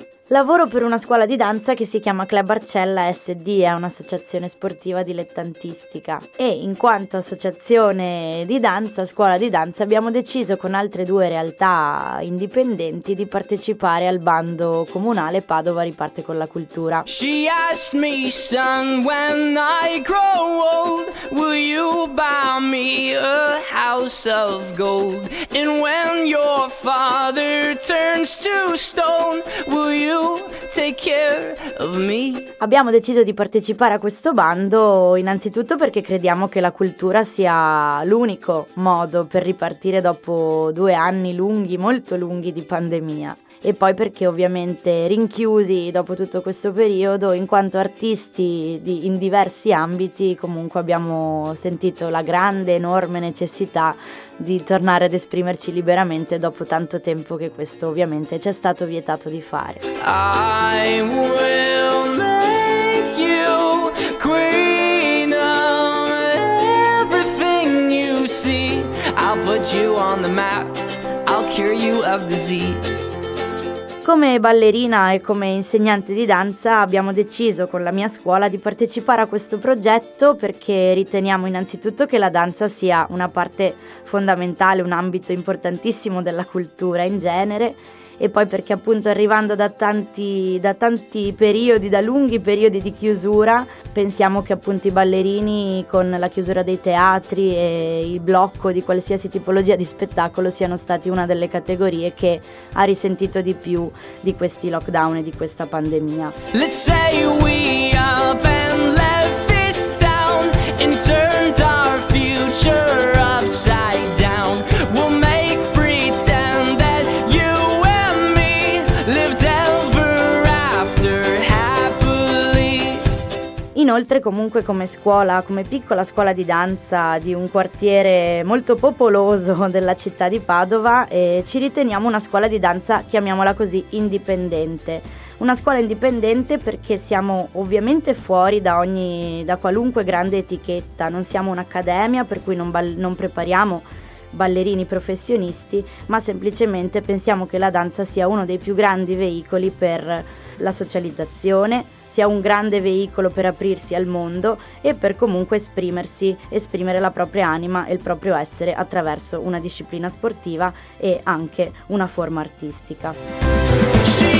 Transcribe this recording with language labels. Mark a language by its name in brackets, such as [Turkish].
[Italian] Lavoro per una scuola di danza che si chiama Club Arcella SD, è un'associazione sportiva dilettantistica. E in quanto associazione di danza, scuola di danza, abbiamo deciso con altre due realtà indipendenti di partecipare al bando comunale Padova Riparte con la Cultura. [English] She asked me, son, when I grow old, will you buy me a house of gold? And when your father turns to stone, will you take care of me? [Italian] Abbiamo deciso di partecipare a questo bando innanzitutto perché crediamo che la cultura sia l'unico modo per ripartire dopo due anni lunghi, molto lunghi di pandemia. E poi perché ovviamente rinchiusi dopo tutto questo periodo, in quanto artisti in diversi ambiti, comunque abbiamo sentito la grande, enorme necessità di tornare ad esprimerci liberamente dopo tanto tempo che questo ovviamente ci è stato vietato di fare. [English] I will make you queen of everything you see. I'll put you on the map, I'll cure you of disease. [Italian] Come ballerina e come insegnante di danza abbiamo deciso con la mia scuola di partecipare a questo progetto perché riteniamo innanzitutto che la danza sia una parte fondamentale, un ambito importantissimo della cultura in genere e poi perché appunto arrivando da tanti periodi, da lunghi periodi di chiusura, pensiamo che appunto i ballerini con la chiusura dei teatri e il blocco di qualsiasi tipologia di spettacolo siano stati una delle categorie che ha risentito di più di questi lockdown e di questa pandemia. [English] Let's say we up and left this town and turned our future upside down. We'll make pretend that you and me lived ever after happily. [Italian] Inoltre, comunque, come scuola, come piccola scuola di danza di un quartiere molto popoloso della città di Padova, ci riteniamo una scuola di danza, chiamiamola così, indipendente. Una scuola indipendente perché siamo ovviamente fuori da qualunque grande etichetta, non siamo un'accademia per cui non prepariamo ballerini professionisti, ma semplicemente pensiamo che la danza sia uno dei più grandi veicoli per la socializzazione, sia un grande veicolo per aprirsi al mondo e per comunque esprimere la propria anima e il proprio essere attraverso una disciplina sportiva e anche una forma artistica.